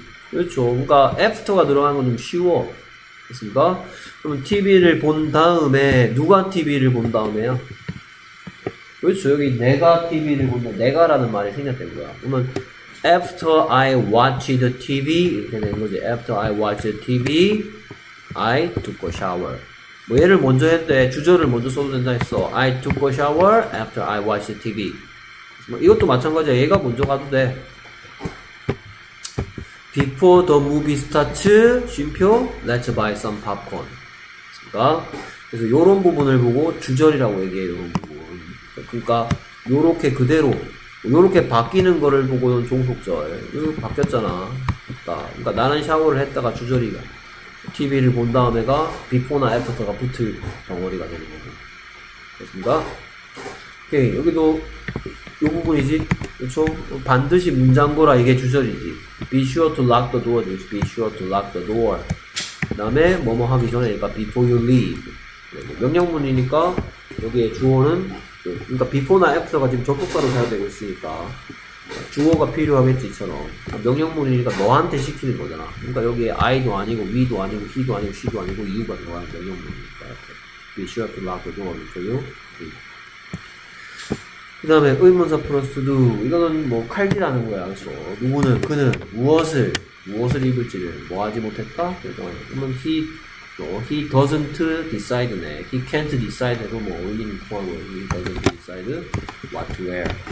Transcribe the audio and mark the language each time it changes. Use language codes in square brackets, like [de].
[ko] 그렇죠. 그러니까 after가 들어가는 건좀 쉬워. 됐습니까? 그럼 TV를 본 다음에 누가 TV를 본 다음에야? 그렇죠. 여기 내가 TV를 본다. 내가라는 말이 생략된 거야. 그러면 [en] after I watched the TV [ko] 이렇게 되는 거지. [en] after I watched the TV, I took a shower. [ko] 뭐 얘를 먼저 했대. 주저를 먼저 써도 된다 했어. [en] I took a shower after I watched TV. [ko] 뭐 이것도 마찬가지야. 얘가 먼저 가도 돼. [en] Before the movie starts, 쉼표, let's buy some popcorn. [ko] 그러니까 그래서 요런 부분을 보고 주절이라고 얘기해, 요런 부분. 그러니까 요렇게 그대로, 요렇게 바뀌는 거를 보고는 종속절. 요 바뀌었잖아. 그러니까 나는 샤워를 했다가 주절이가. TV를 본 다음에가 before나 after가 붙을 덩어리가 되는 거고. 됐습니다. 오케이. 여기도 이 부분이지. 그렇죠? 반드시 문장고라 이게 주절이지. [en] Be sure to lock the door. Be sure to lock the door. [ko] 그다음에 뭐뭐 하기 전에 그러니까 [en] before you leave. [ko] 명령문이니까 여기에 주어는 그러니까 before나 after가 지금 접속사로 사용되고 있으니까 주어가 필요하겠지. 이처럼 명령문이니까 너한테 시키는 거잖아. 그러니까 여기에 I도 아니고 we도 아니고 he도 아니고 she도 아니고 you가 들어가는 명령문이니까 이렇게. [en] Be sure to lock the door for you. [ko] 그 다음에 의문사 플러스 do 이거는 뭐 칼질하는 거야. 그래서 누구는 그는 무엇을 입을지를 뭐 하지 못했다. 그러면 [en] he doesn't decide네. he can't decide도 [ko] 뭐 의미는 포함하고 [en] he doesn't decide what to wear.